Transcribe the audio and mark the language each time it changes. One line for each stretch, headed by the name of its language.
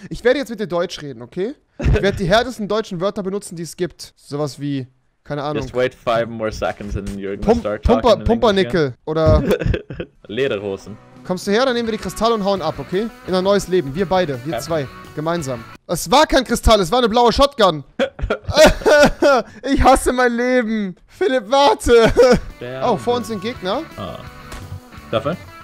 German: Ich werde jetzt mit dir Deutsch reden, okay? Ich werde die härtesten deutschen Wörter benutzen, die es gibt. Sowas wie, keine Ahnung.
English: Just wait 5 more seconds and you're gonna start talking.
German: Pumpernickel oder Lederhosen. Kommst du her, dann nehmen wir die Kristalle und hauen ab, okay? In ein neues Leben. Wir beide, wir zwei. Gemeinsam. Es war kein Kristall, es war eine blaue Shotgun. Ich hasse mein Leben. Philipp, warte.
English: Damn.
German: Oh, vor uns sind Gegner. Oh. Dafür?